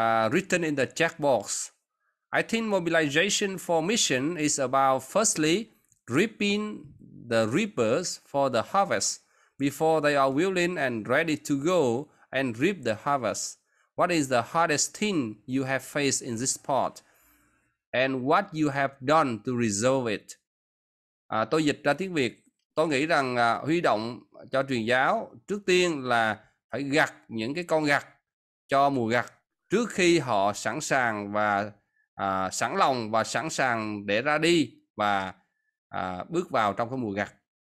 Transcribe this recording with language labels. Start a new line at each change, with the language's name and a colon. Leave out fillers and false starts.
English: written in the chat box. I think mobilization for mission is about firstly reaping the reapers for the harvest before they are willing and ready to go and reap the harvest. What is the hardest thing you have faced in this part and what you have done to resolve it?
Vietnamese: Tôi dịch ra tiếng Việt. Tôi nghĩ rằng huy động cho truyền giáo trước tiên là phải gặt những cái con gặt cho mùa gặt trước khi họ sẵn sàng và sẵn lòng và sẵn sàng để ra đi và bước vào trong cái mùa gặt.